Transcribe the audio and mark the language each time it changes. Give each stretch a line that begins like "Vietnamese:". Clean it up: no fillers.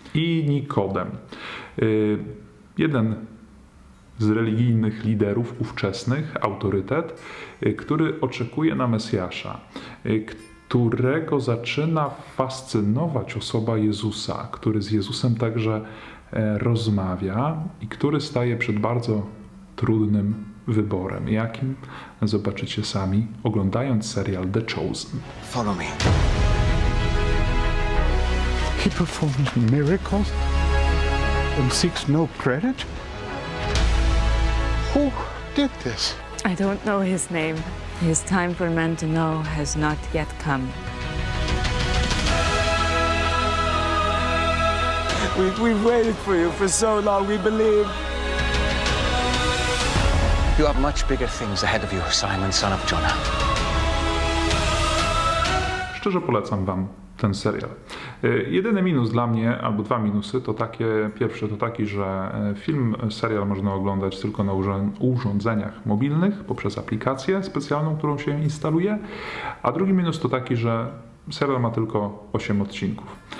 Polish: I Nikodem, jeden z religijnych liderów ówczesnych, autorytet, który oczekuje na Mesjasza, którego zaczyna fascynować osoba Jezusa, który z Jezusem także rozmawia i który staje przed bardzo trudnym wyborem. Jakim? Zobaczycie sami, oglądając serial The Chosen.
English: Follow me. He performs miracles and seeks no credit? Who did this? I don't know his name. His time for men to know has not yet come. We've waited for you for so long, we believe. You have much bigger things ahead of you, Simon, son of Jonah.
Polish: Szczerze polecam wam ten serial. Jedyny minus dla mnie, albo dwa minusy, to takie. Pierwszy to taki, że film, serial można oglądać tylko na urządzeniach mobilnych poprzez aplikację specjalną, którą się instaluje. A drugi minus to taki, że serial ma tylko 8 odcinków.